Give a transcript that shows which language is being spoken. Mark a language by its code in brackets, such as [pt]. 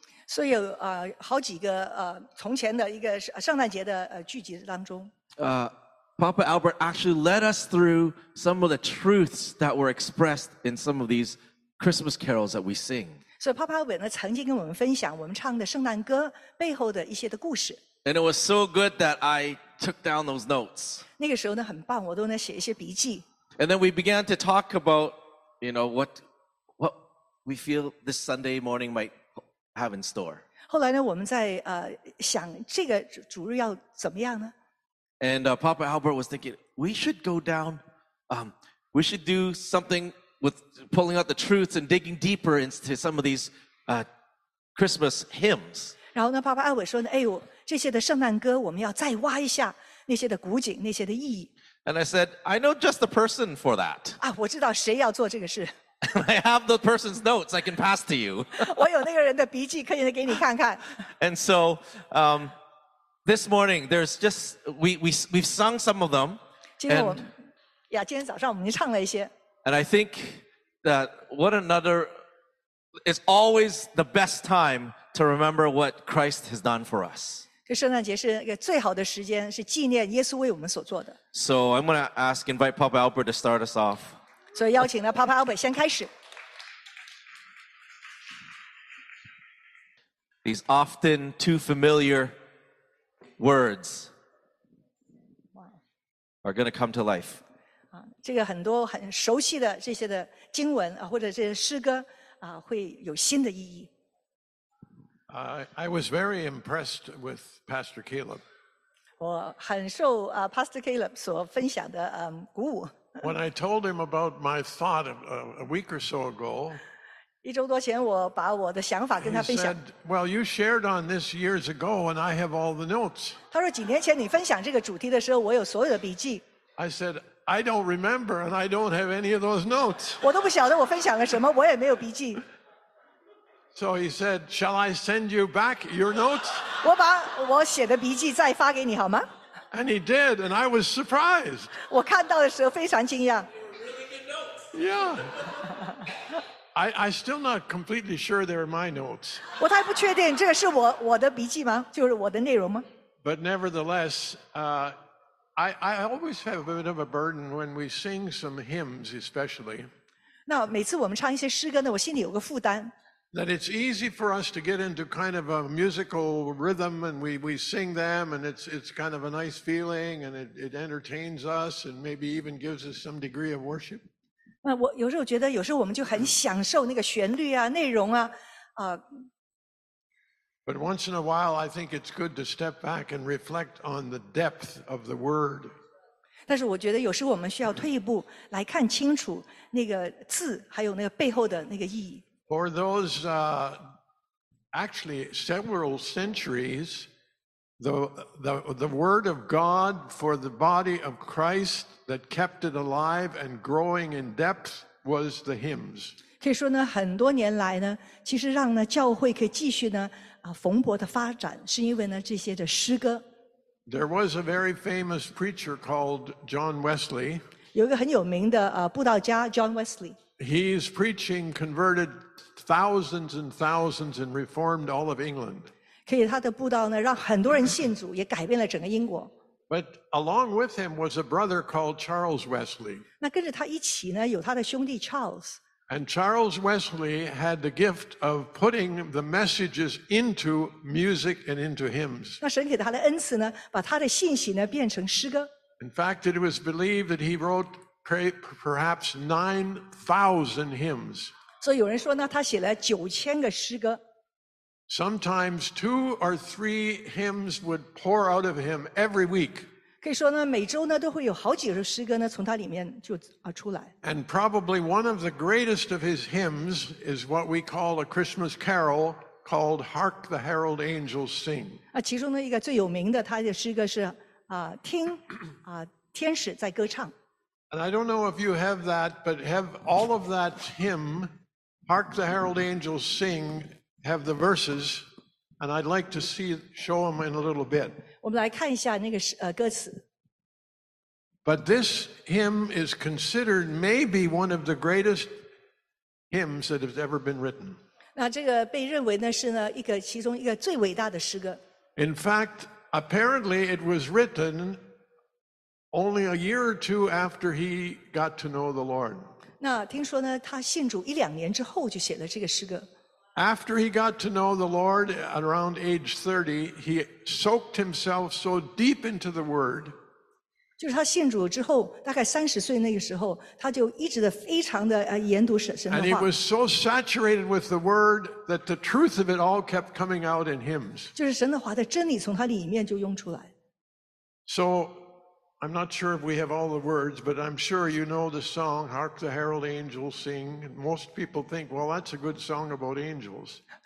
[zh] 所以有好几个从前的一个圣诞节的聚集当中。 [en] Papa Albert actually led us through some of the truths that were expressed in some of these Christmas carols that we sing. [zh] So Papa Albert 呢曾经跟我们分享我们唱的圣诞歌背后的一些的故事。 [en] And it was so good that I took down those notes. [zh] 那个时候呢很棒，我都能写一些笔记。 [en] And then we began to talk about, you know, what we feel this Sunday morning might have in store. [zh] 后来呢我们在想这个主日要怎么样呢？ [en] And Papa Albert was thinking, we should go down, we should do something with pulling out the truths and digging deeper into some of these Christmas hymns. [zh] 然后呢爸爸阿伟说呢哎呦这些的圣诞歌我们要再挖一下那些的古井那些的意义。 [en] And I said, I know just the person for that. [zh] 啊我知道谁要做这个事。 [en] I have the person's notes I can pass to you. [zh] 我有那个人的笔记可以给你看看。 [en] And so,This morning, there's just, we've sung some of them. [zh] 今天早上我们已经唱了一些。 [en] And I think that what another, it's always the best time to remember what Christ has done for us. [zh] 这圣诞节是一个最好的时间，是纪念耶稣为我们所做的。 [en] So I'm going to invite Papa Albert to start us off. [zh] 所以邀请了 Papa Albert 先开始。 [en] These often too familiar words are going to come to life. [zh] 这个很多很熟悉的这些的经文或者这些诗歌会有新的意义。 [en] I was very impressed with Pastor Caleb. [zh] 我很受Pastor Caleb 所分享的鼓舞。 [en] When I told him about my thought a week or so ago, [zh] 一周多前我把我的想法跟他分享。 [en] He said, well, you shared on this years ago and I have all the notes. [zh] 他说几年前你分享这个主题的时候我有所有的笔记。 [en] I said, I don't remember and I don't have any of those notes. [zh] 我都不晓得我分享了什么我也没有笔记。 [en] So he said, shall I send you back your notes? [zh] 我把我写的笔记再发给你好吗？ [en] And he did and I was surprised. [zh] 我看到的时候非常惊讶。 [en] Yeah. I'm still not completely sure they're my notes. [zh] 我还不确定这个是我的笔记吗？就是我的内容吗？ [en] But nevertheless, I always have a bit of a burden when we sing some hymns, especially. [zh] 那每次我们唱一些诗歌呢，我心里有个负担。 [en] That it's easy for us to get into kind of a musical rhythm, and we sing them, and it's kind of a nice feeling, and it entertains us, and maybe even gives us some degree of worship. [zh] 那我有时候觉得有时候我们就很享受那个旋律啊内容啊 [en] But once in a while, I think it's good to step back and reflect on the depth of the word. [zh] 但是我觉得有时候我们需要退一步来看清楚那个字还有那个背后的那个意义。 [en] For those, actually several centuries, the word of God for the body of Christ that kept it alive and growing in depth was the hymns. [zh] 可以说呢，很多年来呢，其实让呢教会可以继续呢蓬勃的发展，是因为呢这些的诗歌。 [en] There was a very famous preacher called John Wesley. [zh] 有一个很有名的布道家 John Wesley. [en] He is preaching, converted thousands and thousands, and reformed all of England. [zh] 可以他的布道呢让很多人信主也改变了整个英国。 [en] But along with him was a brother called Charles Wesley. [zh] 那跟着他一起呢有他的兄弟 Charles. [en] And Charles Wesley had the gift of putting the messages into music and into hymns. [zh] 那神给他的恩赐呢把他的信息呢变成诗歌。 [en] In fact, it was believed that he wrote perhaps 9,000 hymns. [zh] 所以有人说呢他写了9,000个诗歌。 [en] Sometimes two or three hymns would pour out of him every week. [zh] 可以说呢，每周呢都会有好几首诗歌呢从他里面就出来。 [en] And probably one of the greatest of his hymns is what we call a Christmas carol called "Hark the Herald Angels Sing." [zh] 其中呢一个最有名的他的诗歌是听天使在歌唱。 [en] And I don't know if you have that, but have all of that hymn, Hark the Herald Angels Sing, have the verses, and I'd like to see show them in a little bit. [zh] 我们来看一下那个歌词。 [en] But this hymn is considered maybe one of the greatest hymns that has ever been written. [zh] 那这个被认为呢是呢一个其中一个最伟大的诗歌。 [en] In fact, apparently it was written only a year or two after he got to know the Lord. [zh] 那听说呢他信主一两年之后就写了这个诗歌。 [en] After he got to know the Lord at around age 30, he soaked himself so deep into the word. [zh] 就是他信主之后大概30岁那个时候他就一直的非常的研读神的话。 [en] And he was so saturated with the word that the truth of it all kept coming out in hymns. [zh] 就是神的话的真理从他里面就涌出来。 [en] So, I'm not sure if we have all the words, but I'm sure you know the song, Hark the Herald Angels Sing. Most people think, well, that's a good song about angels.